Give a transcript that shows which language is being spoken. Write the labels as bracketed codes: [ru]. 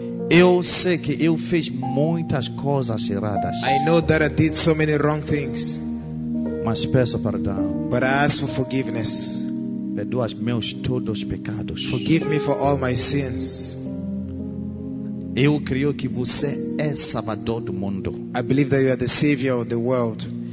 [pt] Eu sei que eu fiz muitas coisas erradas. [en] I know that I did so many wrong things. [pt] Mas peço perdão. [en] But I ask for forgiveness. [pt] Perdoa os meus todos pecados. [en] Forgive me for all my sins. [pt] Eu creio que você é Salvador do mundo. [en] I believe that you are the Savior of the world.